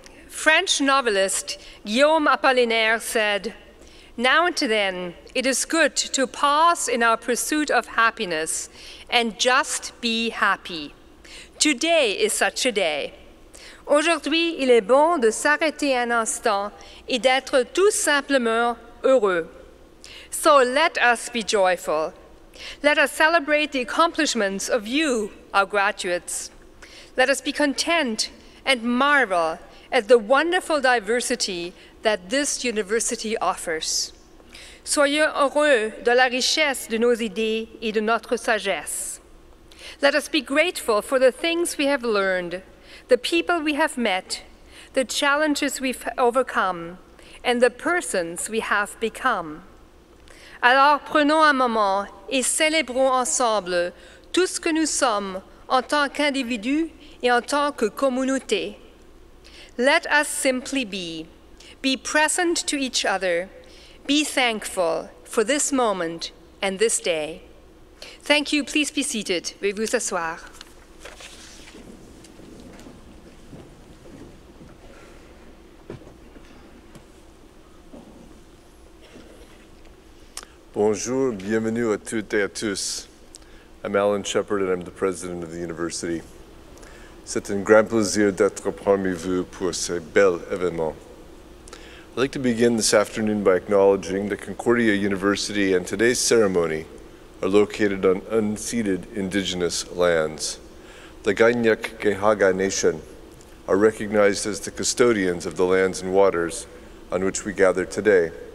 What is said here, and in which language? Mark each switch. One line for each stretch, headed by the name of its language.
English: French novelist Guillaume Apollinaire said, "Now and then, it is good to pause in our pursuit of happiness and just be happy. Today is such a day.
French: Aujourd'hui, il est bon de s'arrêter un instant et d'être tout simplement heureux.
English: So let us be joyful. Let us celebrate the accomplishments of you, our graduates. Let us be content and marvel at the wonderful diversity that this university offers.
French: Soyons heureux de la richesse de nos idées et de notre sagesse.
English: Let us be grateful for the things we have learned, the people we have met, the challenges we've overcome, and the persons we have become.
French: Alors prenons un moment et célébrons ensemble tout ce que nous sommes en tant qu'individus et en tant que communauté.
English: Let us simply be present to each other, be thankful for this moment and this day. Thank you, please be seated.
French: Veuillez vous asseoir. Bonjour, bienvenue à toutes et à tous.
English: I'm Alan Shepard, and I'm the president of the university.
French: C'est un grand plaisir d'être parmi vous pour ce bel événement.
English: I'd like to begin this afternoon by acknowledging that Concordia University and today's ceremony are located on unceded indigenous lands. The Ganyak Gehaga Nation are recognized as the custodians of the lands and waters on which we gather today.